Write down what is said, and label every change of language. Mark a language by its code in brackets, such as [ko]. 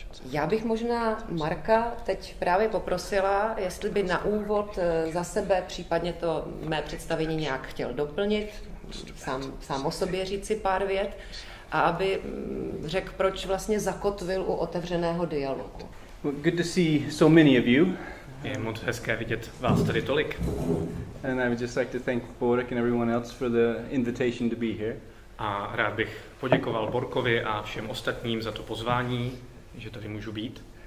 [cs] Já bych možná Marka teď právě poprosila, jestli by na úvod za sebe, případně to mé představení nějak chtěl doplnit, sám o sobě říct si pár vět, a aby řekl, proč vlastně zakotvil u otevřeného dialogu. [en] Good to see so many of you. [cs] Je moc hezké vidět vás tady tolik. [en] And I would just like to thank Borek and everyone else for the invitation to be here. [cs] A rád bych poděkoval Borkovi a všem ostatním za to pozvání, že tady můžu být.